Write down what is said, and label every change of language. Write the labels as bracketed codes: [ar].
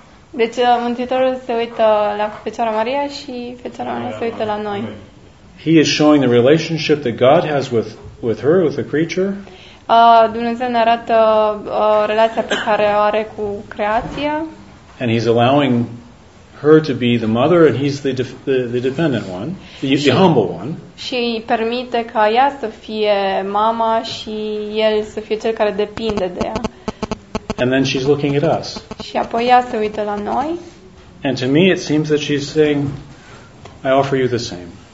[ro] Deci Mântuitorul se uită la Fecioara Maria și Fecioara Maria se uită la noi. [en] He is showing the relationship that God has with her, with the creature. [ro] Dumnezeu ne arată relația pe care o are cu creația. [en] And he's allowing her to be the mother, and he's the dependent one, the humble one. [ro] Și permite ca ea să fie mama și el să fie cel care depinde de ea. [en] And then she's looking at us. [ro] Și apoi ea se uită la noi. [en] And to me it seems that she's saying, I offer you the same.